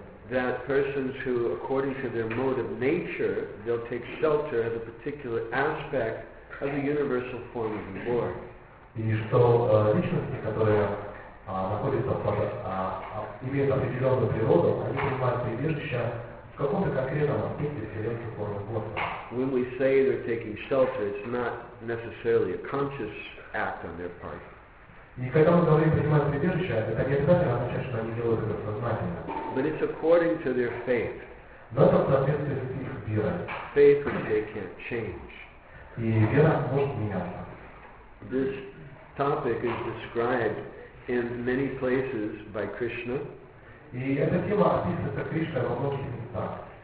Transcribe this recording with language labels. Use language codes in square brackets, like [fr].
[en] That persons who, according to their mode of nature, they'll take shelter of a particular aspect of the universal form of the Lord. [ru] И что личности, которые находятся под имеют определенную природу, они принимают прибежище в каком-то конкретном аспекте вселенской формы космоса. [en] When we say they're taking shelter, it's not necessarily a conscious act on their part. [ru] И когда мы говорим принимать прибежище, это не обязательно означает, что они делают это сознательно. [en] But it's according to their faith. [ru] Но это в соответствии с их верой. [en] Faith which they can't change. [ru] И вера может меняться. [en] This topic is described in many places by Krishna. [ru] И эта тема описывается Кришной во многих местах.